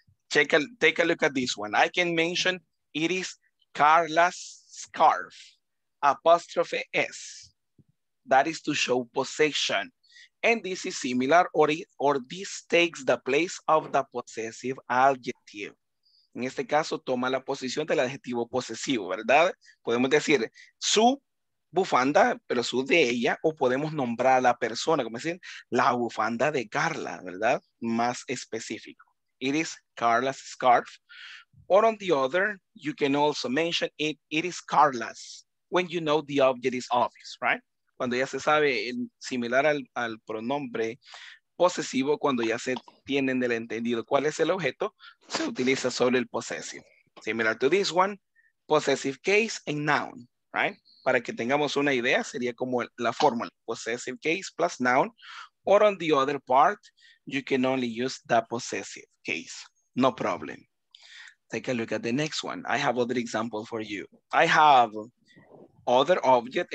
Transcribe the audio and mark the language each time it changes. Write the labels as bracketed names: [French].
[English] Take a look at this one. I can mention it is Carla's scarf, apostrophe S. That is to show possession. And this is similar, or this takes the place of the possessive adjective. [Spanish] En este caso, toma la posición del adjetivo posesivo, ¿verdad? Podemos decir su bufanda, pero su de ella, o podemos nombrar a la persona, como decir, la bufanda de Carla, ¿verdad? Más específico. [English] It is Carla's scarf. Or on the other, you can also mention it, it is Carla's, when you know the object is obvious, right? [Spanish] Cuando ya se sabe, similar al pronombre posesivo, cuando ya se tienen el entendido cuál es el objeto, se utiliza solo el possessive. [English] Similar to this one, possessive case and noun, right? [Spanish] Para que tengamos una idea, sería como la fórmula, [English] possessive case plus noun. Or on the other part, you can only use the possessive case, no problem. Take a look at the next one. I have other example for you. I have other object.